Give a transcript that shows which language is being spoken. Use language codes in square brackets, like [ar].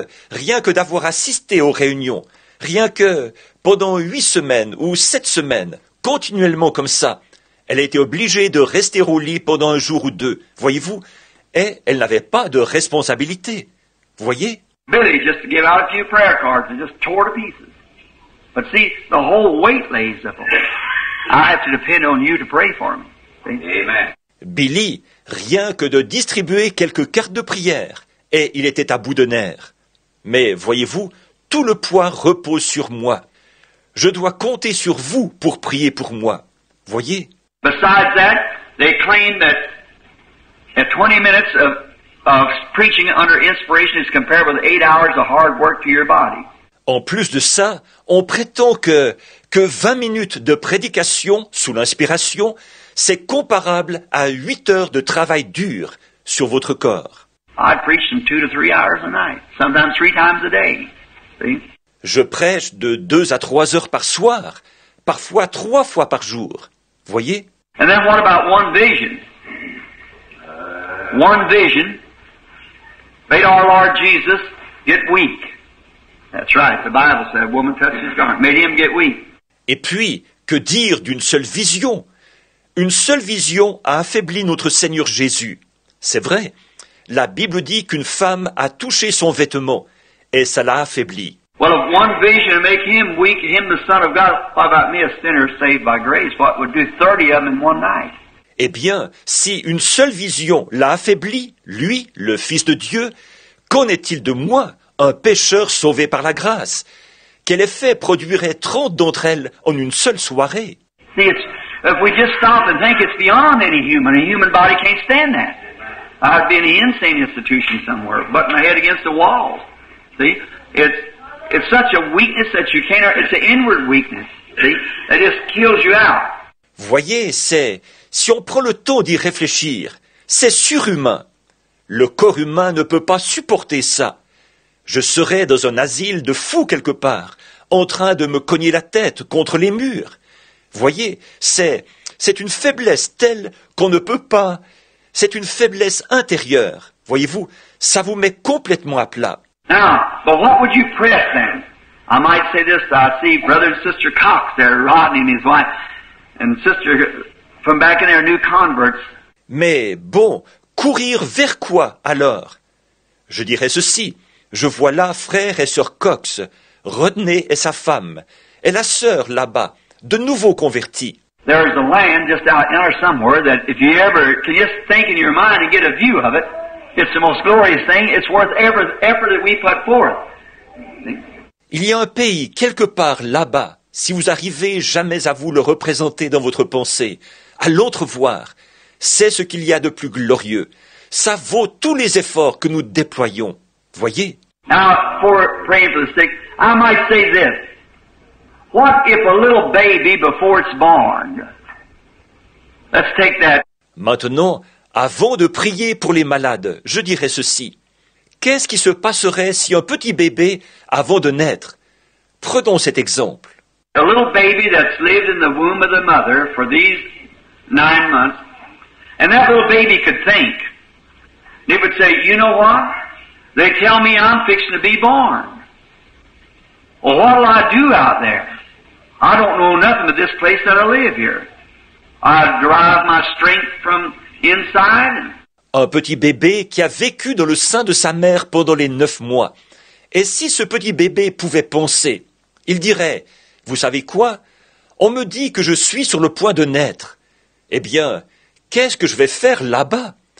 [fr] Rien que d'avoir assisté aux réunions, rien que pendant 8 semaines ou 7 semaines, continuellement comme ça, elle a été obligée de rester au lit pendant un jour ou deux, voyez-vous, et elle n'avait pas de responsabilité, voyez. [en] Billy, just to give out a few prayer cards, and just tore to pieces. But see, the whole weight lays up on me. I have to depend on you to pray for me. Amen. [fr] Billy, rien que de distribuer quelques cartes de prière, et il était à bout de nerfs. Mais voyez-vous, tout le poids repose sur moi. Je dois compter sur vous pour prier pour moi. Voyez. [en] Besides that, they claim that 20 minutes of preaching under inspiration is compared with 8 hours of hard work to your body. [fr] En plus de ça, on prétend que 20 minutes de prédication sous l'inspiration, c'est comparable à 8 heures de travail dur sur votre corps. [en] I preach from 2 to 3 hours a night, sometimes 3 times a day. See? [fr] Je prêche de 2 à 3 heures par soir, parfois 3 fois par jour. Voyez? [en] And then what about one vision? One vision made our Lord Jesus get weak. That's right, the Bible said, woman touched his garment, made him get weak. [fr] Et puis, que dire d'une seule vision? Une seule vision a affaibli notre Seigneur Jésus. C'est vrai. La Bible dit qu'une femme a touché son vêtement et ça l'a affaibli. [en] Well, if one vision make him weak, him the Son of God, what about me, a sinner saved by grace? What would do 30 of them in one night? [fr] Eh bien, si une seule vision l'a affaibli, lui, le Fils de Dieu, qu'en est-il de moi, un pécheur sauvé par la grâce? Quel effet produirait 30 d'entre elles en une seule soirée? [en] See, If we just stop and think it's beyond any human, a human body can't stand that. I'd be in an insane institution somewhere, butting my head against the wall. See? It's such a weakness that you can't... It's an inward weakness, see? That just kills you out. [fr] Voyez, c'est... Si on prend le temps d'y réfléchir, c'est surhumain. Le corps humain ne peut pas supporter ça. Je serais dans un asile de fous quelque part, en train de me cogner la tête contre les murs. Voyez, c'est une faiblesse telle qu'on ne peut pas. C'est une faiblesse intérieure. Voyez-vous, ça vous met complètement à plat. [en] Now, but what would you press then? I might say this, I see brother and sister Cox there, Rodney and his wife, and sister from back in their new converts. [fr] Mais bon, courir vers quoi alors? Je dirais ceci, je vois là frère et sœur Cox, Rodney et sa femme, et la sœur là-bas, de nouveau convertie. [en] There is a land just out there somewhere that if you ever can just think in your mind and get a view of it, it's the most glorious thing. It's worth every effort that we put forth. [fr] Il y a un pays quelque part là-bas. Si vous arrivez jamais à vous le représenter dans votre pensée, à l'entrevoir, c'est ce qu'il y a de plus glorieux. Ça vaut tous les efforts que nous déployons. Voyez. [en] Now, for praying for the sick, I might say this. What if a little baby before it's born? Let's take that. [fr] Maintenant, avant de prier pour les malades, je dirais ceci. Qu'est-ce qui se passerait si un petit bébé, avant de naître? Prenons cet exemple. [en] A little baby that's lived in the womb of the mother for these 9 months, and that little baby could think. They would say, you know what? They tell me I'm fixing to be born. Well, what'll I do out there? I don't know nothing but this place that I live here. I derive my strength from inside. [fr] Un petit bébé qui a vécu dans le sein de sa mère pendant les 9 mois. Et si ce petit bébé pouvait penser, il dirait, vous savez quoi? On me dit que je suis sur le point de naître. Eh bien, qu'est-ce que je vais faire là-bas?